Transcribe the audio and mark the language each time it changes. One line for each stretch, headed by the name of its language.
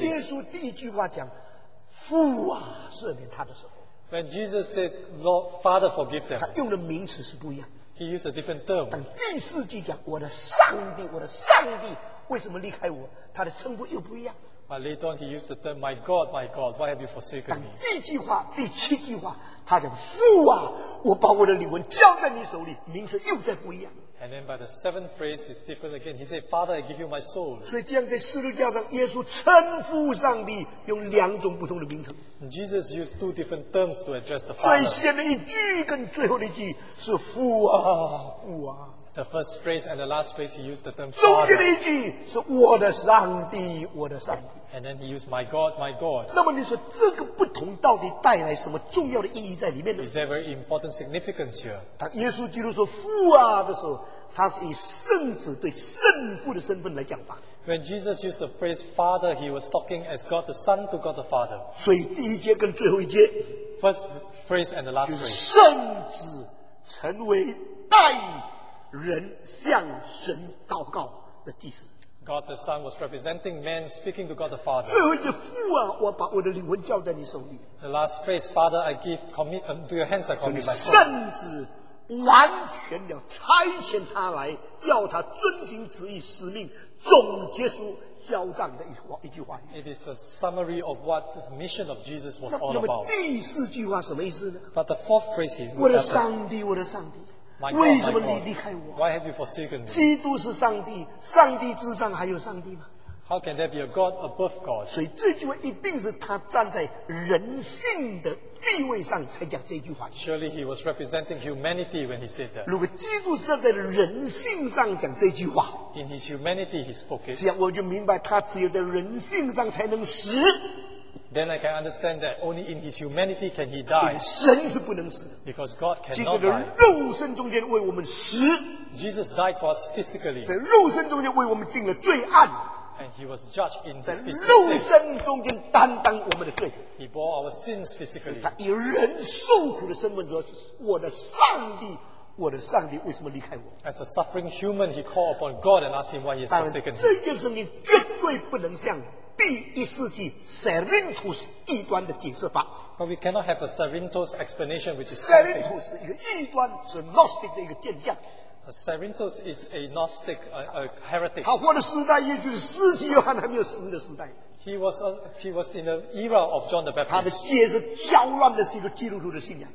Chinese: 耶稣第一句话讲，父啊，赦免他的时候。
English: When Jesus said, Lord, Father, forgive them.
Chinese: 他用的名词是不一样。
English: He used a different term.
Chinese: 但第四句讲，我的上帝，我的上帝，为什么离开我？他的称呼又不一样。
English: But later on, he used the term, My God, my God, why have you forsaken me?
Chinese: 第一句话，第七句话，他讲，父啊，我把我的灵魂交在你手里，名词又再不一样。
English: And then by the seventh phrase is different again. He said, Father, I give you my soul.
Chinese: 所以这样在十字架上耶稣称呼上帝用两种不同的名称。
English: Jesus used two different terms to address the Father.
Chinese: 最先的一句跟最后的一句是父啊父啊。
English: The first phrase and the last phrase he used the term Father.
Chinese: 中间的一句是我的上帝我的上帝。
English: And then he used my God my God.
Chinese: 那么你说这个不同到底带来什么重要的意义在里面呢？
English: Is there very important significance here?
Chinese: 当耶稣基督说父啊的时候，他是以圣子对圣父的身份来讲法。
English: When Jesus used the phrase Father, he was talking as God the Son to God the Father.
Chinese: 所以第一节跟最后一节
English: ，first phrase and the last phrase，
Chinese: 圣子成为代人向神祷告的祭司。
English: God the Son was representing man speaking to God the Father.
Chinese: 最后一句父啊，我把我的灵魂交在你手里。
English: The last phrase, Father, I give commit to your hands, I commit my soul.
Chinese: 圣子完全要差遣他来，要他遵行旨意使命，总结出交账的一句话。
English: It is a summary of what the mission of Jesus was all about.
Chinese: 那么第四句话什么意思呢？
English: But the fourth phrase is,
Chinese: 我的上帝，我的上帝，
English: my God,
Chinese: 为什么你离开我？
English: Why have you forsaken me?
Chinese: 基督是上帝，上帝之上还有上帝吗？
English: How can there be a God above God?
Chinese: 所以这句话一定是他站在人性的地位上才讲这句话。
English: Surely he was representing humanity when he said that.
Chinese: 如果基督站在人性上讲这句话，
English: In his humanity he spoke it.
Chinese: 这样我就明白，他只有在人性上才能死。
English: Then I can understand that only in his humanity can he die.
Chinese: 神是不能死的。
English: Because God cannot die.
Chinese: 基督的肉身中间为我们死。
English: Jesus died for us physically.
Chinese: 在肉身中间为我们定了罪案。
English: And he was judged in this physical.
Chinese: 在肉身中间担当我们的罪。
English: He bore our sins physically.
Chinese: 他以人受苦的身份说，我的上帝，我的上帝，为什么离开我？
English: As a suffering human, he called upon God and asked him why he has forsaken him.
Chinese: 这件事情绝对不能像 第一世纪Serentos异端的解释法。
English: But we cannot have a Serentos explanation, which is
Chinese: Serentos是一个异端，是Gnostic的一个见解。
English: Serentos is a Gnostic, a heretic.
Chinese: 他活的时代，也就是司机约翰还没有死的时代。
English: He was in the era of John the Baptist.
Chinese: 他的解释搅乱的是一个基督徒的信仰。